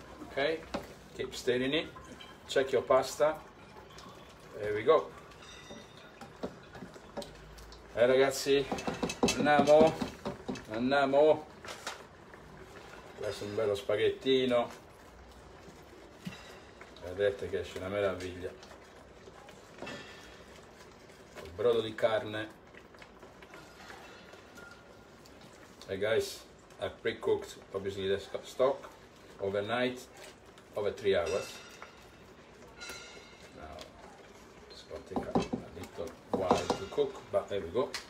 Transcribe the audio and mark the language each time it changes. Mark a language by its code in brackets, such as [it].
[en] Okay, keep stirring it, check your pasta, there we go. [it] E ragazzi, andiamo, questo è un bello spaghettino, vedete che esce una meraviglia, il brodo di carne. [en] Hey guys, I pre-cooked obviously the stock overnight. Over 3 hours. Now it's going to take a little while to cook, but there we go.